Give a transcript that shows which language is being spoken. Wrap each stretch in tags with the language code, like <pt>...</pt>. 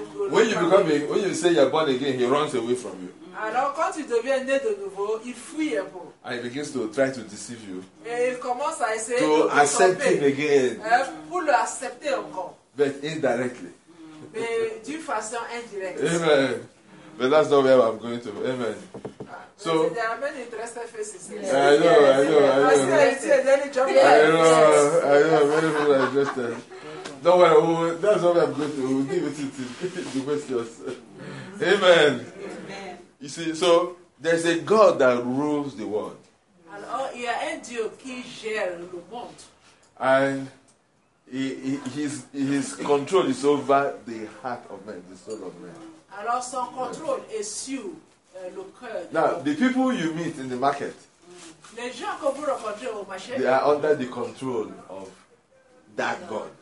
<en>When you say you're born again, he runs away from you.</en> <fr>Alors, quand tu deviens né de nouveau, il fuit un peu.</fr> <en>And he begins to try to deceive you.</en> <fr>Et il commence à essayer</fr> <en>to accept him again.</en> <fr>Pour l'accepter encore.</fr> <en>But indirectly.</en> <fr>Mais d'une façon indirecte.</fr> <en>Amen. But that's not where I'm going to. Amen. So. I know. Don't worry. That's not where I'm going to. We'll give it to the questions. Amen. You see, so there's a God that rules the world.</en> <fr>Alors, il y a un Dieu qui gère le monde.</fr> <en>And his control is over the heart of man, the soul of man.</en> <fr>Alors, son control est sur le cœur.</fr> <en>Now, the people you meet in the market,</en> <fr>les gens que vous rencontrez au marché,</fr> <en>they are under the control of that God.</en>